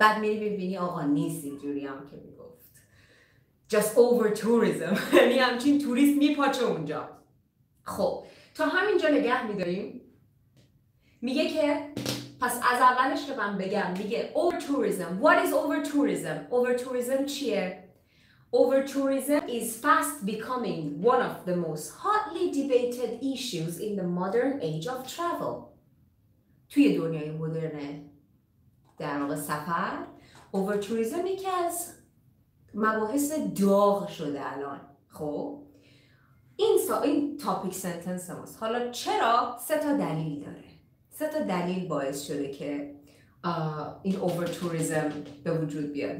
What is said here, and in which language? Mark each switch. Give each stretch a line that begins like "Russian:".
Persian: بعد میری ببینی آقا نیست اینجوری هم که میگفت،
English: just over tourism،
Persian: یعنی همچین توریست میپاچه اونجا. خب تا همینجا نگه میداریم. میگه که پس از اولش که من بگم، میگه over tourism.
English: What is over tourism؟ over tourism
Persian: چیه؟
English: over tourism is fast becoming one of the most hotly debated issues in the modern age of travel.
Persian: توی دنیای مدرن در واقع سفر، اوور توریسم یکی از مباحث داغ شده الان. خب این تاپیک سنتنس ماست. حالا چرا؟ سه تا دلیل داره. سه تا دلیل باعث شده که این اوور توریسم به وجود بیاد.